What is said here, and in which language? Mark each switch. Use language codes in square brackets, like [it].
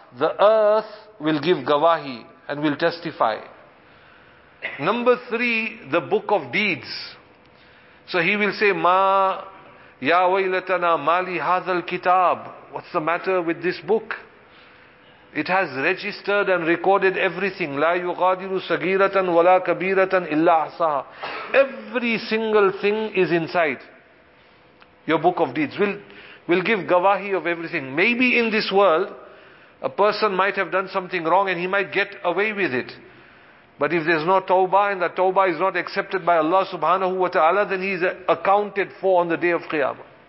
[en] The earth will give gawahi and will testify. Number three, the book of deeds. So he will say, [ar] مَا يَا وَيْلَتَنَا مَالِ هَذَا الْكِتَابِ. [en] What's the matter with this book? It has registered and recorded everything. [ar] لا يغادر صغيرة ولا كبيرة إلا أحصاها. [en] Every single thing is inside your book of deeds. We'll give gawahi of everything. Maybe in this world, a person might have done something wrong and he might get away with it. But if there's no tawbah and that tawbah is not accepted by Allah subhanahu wa ta'ala, then he's accounted for on the day of Qiyamah.